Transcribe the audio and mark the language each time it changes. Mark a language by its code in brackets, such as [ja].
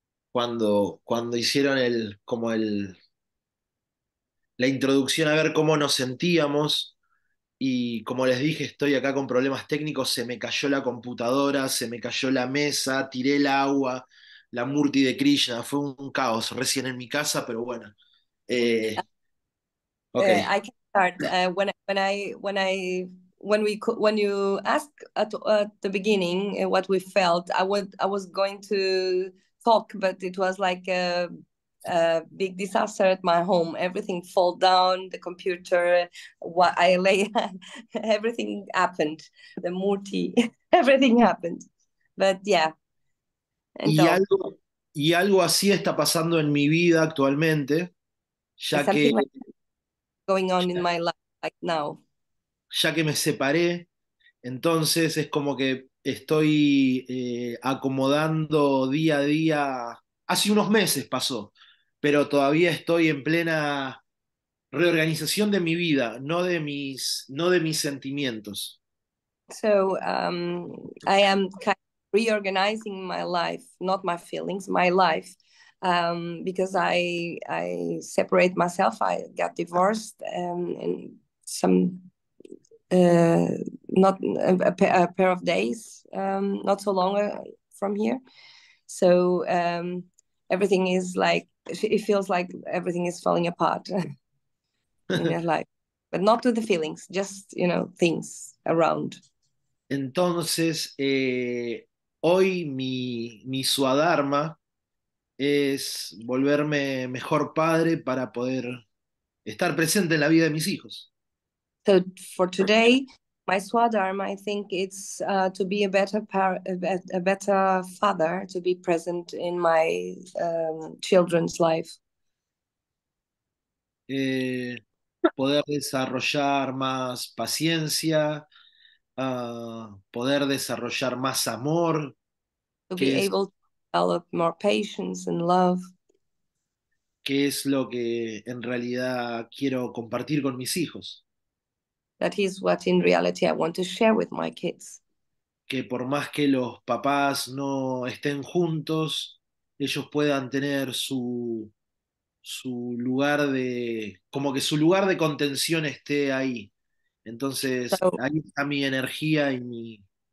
[es] Cuando hicieron la introducción a ver cómo nos sentíamos, y como les dije, estoy acá con problemas técnicos, se me cayó la computadora, se me cayó la mesa, tiré el agua, la murti de Krishna, fue un caos recién en mi casa, pero bueno. [en] I can start when you ask at the beginning what we felt. I was going to talk, but it was like a big disaster at my home. Everything fell down, the computer, what I lay, everything happened, the murti, everything happened. But yeah. [es] Y algo así está pasando en mi vida actualmente, ya que [en] going on in my life right now. [es] Ya que me separé, entonces es como que estoy acomodando día a día. Hace unos meses pasó, pero todavía estoy en plena reorganización de mi vida, no de mis sentimientos. [en] So I am kind of reorganizing my life, not my feelings, my life. Because I separate myself, I got divorced, and some not a, a pair of days, not so long from here. So everything is like, it feels like everything is falling apart in your life, but not with the feelings, just, you know, things around. [es] Entonces, hoy mi Swadharma es volverme mejor padre para poder estar presente en la vida de mis hijos. [en] So for today, my Swadharma, I think it's to be a better father, to be present in my children's life. [es] Poder desarrollar más paciencia, poder desarrollar más amor. [en] To be able to develop more patience and love. [es] ¿Qué es lo que en realidad quiero compartir con mis hijos? [en] That is what in reality I want to share with my kids. [es] Que por más que los papás no estén juntos, ellos puedan tener su lugar de contención esté ahí. Entonces, ahí está mi energía y mi